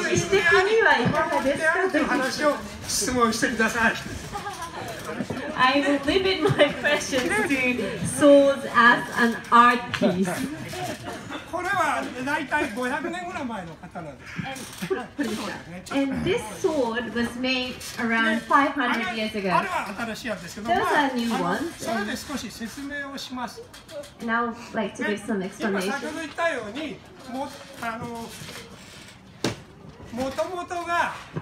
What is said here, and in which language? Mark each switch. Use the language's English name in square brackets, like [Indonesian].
[Japanese] から、実質的にはいかがですか？という話を質問してください。 [English] I will limit my questions to swords as an art piece. [Japanese] これはだいたい500年ぐらい前の刀です。 [English] And this sword was made around 500 years ago. [Japanese] あれは新しいやつですけど、 [English] Those are new ones. [Japanese] それで少し説明をします。 [English] Now, like to give some explanation. [Japanese] 今先ほど言ったように、もともとが、